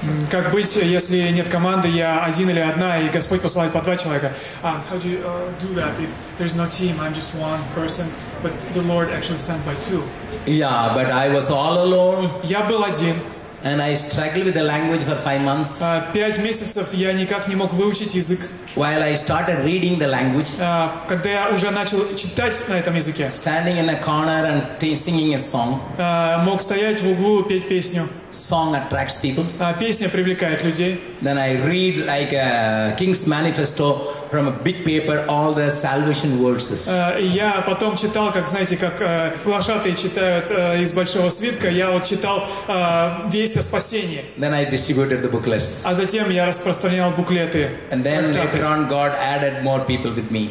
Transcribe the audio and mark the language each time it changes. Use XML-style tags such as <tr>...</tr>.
<ru>Как быть, если нет команды, я один или одна, и Господь посылает по два человека?</ru> <en>How do you do that if there's no team? I'm just one person, but the Lord actually sent by two. Yeah, but I was all alone.</en> <ru>Я был один.</ru> <en>And I struggled with the language for 5 months.</en> <ru>5 месяцев я никак не мог выучить язык.</ru> <en>While I started reading the language.</en> <ru>Когда я уже начал читать на этом языке.</ru> <en>Standing in a corner and singing a song.</en> <ru>Мог стоять в углу петь песню.</ru> <en>Song attracts people.</en> <ru>Песня привлекает людей.</ru> <en>Then I read like a King's Manifesto from a big paper all the salvation verses.</en> <ru>Я потом читал, как знаете, как глашатаи читают из большого свитка. Я вот читал весь о спасении.</ru> <en>Then I distributed the booklets.</en> <ru>А затем я распространял буклеты.</ru> <en>And then later on, God added more people with me.</en>